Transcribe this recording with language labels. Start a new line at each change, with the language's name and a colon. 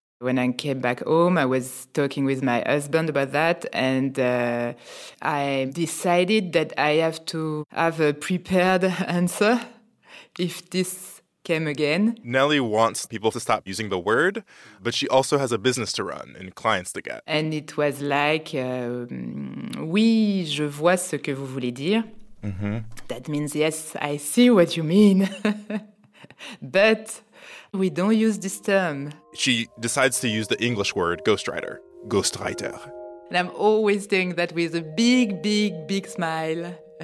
English: When I came back home, I was talking with my husband about that, and I decided that I have to have a prepared answer if this came again. Nelly wants people to stop using the word, but she also has a business to run and clients to get. And it was like
French: Oui, je vois ce que vous voulez dire. Mm-hmm.
English: That means yes, I see what you mean. But we don't use this term. She decides to use the English word ghostwriter. Ghostwriter. And I'm always doing that with a big, big, big smile.